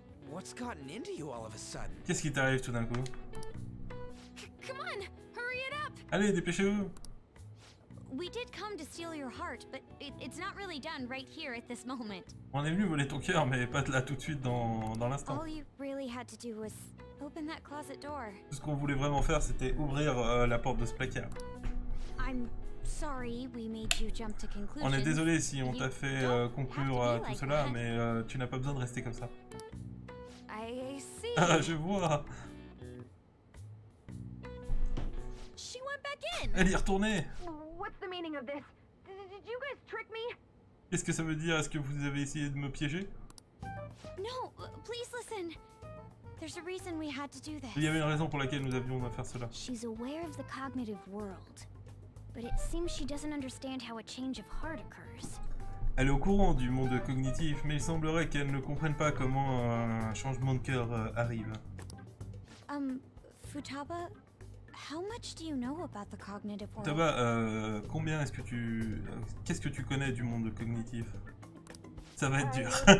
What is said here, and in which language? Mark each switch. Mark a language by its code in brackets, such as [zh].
[en] What's gotten into you all of a sudden? [fr] Qu'est-ce qui t'arrive tout d'un coup? [en] Come on, hurry it up! [fr] Allez, dépêchez-vous. [en] We did come to steal your heart, but it's not really done right here at this moment. [fr] On est venu voler ton cœur, mais pas là tout de suite dans l'instant. [en] All you really had to do was open that closet door. [fr] Tout ce qu'on voulait vraiment faire, c'était ouvrir la porte de ce placard. [en] I'm sorry we made you jump to conclusions. [fr] On est désolé si on t'a fait conclure à tout cela, mais tu n'as pas besoin de rester comme ça. [en] I see. [fr] Ah, je vois. [en] She went back in. [fr] Elle y est retournée. [en] What's the meaning of this? Did you guys trick me? [fr] Qu'est-ce que ça veut dire? Est-ce que vous avez essayé de me piéger? [en] No, please listen. There's a reason we had to do this. [fr] Il y avait une raison pour laquelle nous avions à faire cela. [en] She's aware of the cognitive world, but it seems she doesn't understand how a change of heart occurs. [fr] Elle est au courant du monde cognitif, mais il semblerait qu'elle ne comprenne pas comment un changement de cœur arrive. [en] Futaba, how much do you know about the cognitive world? [fr] Futaba, combien est-ce que tu... Qu'est-ce que tu connais du monde cognitif? Ça va être dur.